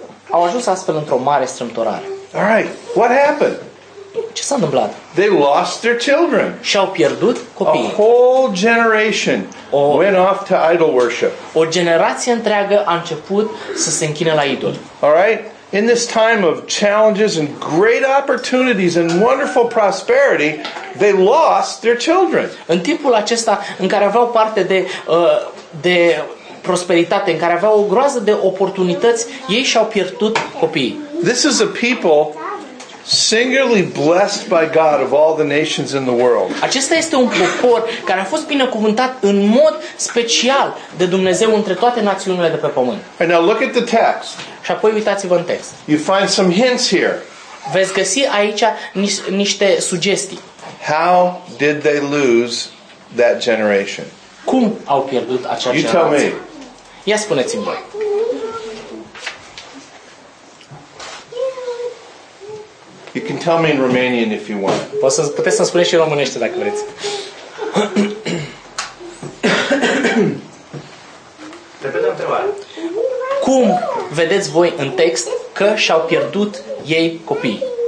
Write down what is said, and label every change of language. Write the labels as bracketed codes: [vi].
[ro] Au ajuns astfel într-o mare strâmtorare. [en] All right, what happened? [ro] Ce s-a întâmplat? [en] They lost their children. [ro] Și-au pierdut copiii. [en] A whole generation went off to idol worship. [ro] O generație întreagă a început să se închine la idol. [en] All right? In this time of challenges and great opportunities and wonderful prosperity, they lost their children. [ro] În timpul acesta în care aveau parte de prosperitate, în care aveau o groază de oportunități, ei și-au pierdut copiii. [en] This is a people singularly blessed by God of all the nations in the world. [ro] Acesta este un popor care a fost binecuvântat în mod special de Dumnezeu între toate națiunile de pe pământ. [en] And now look at the text. [ro] Și apoi uitați-vă în text. [en] You find some hints here. [ro] Veți găsi aici niște sugestii. [en] How did they lose that generation? [ro] Cum au pierdut acea generație? [en] You tell me. [ro] Ia spuneți-mi voi. [en] You can tell me in Romanian if you want. [ro] Puteți să-mi spuneți și românește dacă vreți. Repetă întrebarea. Cum vedeți voi în text că și-au pierdut ei copii?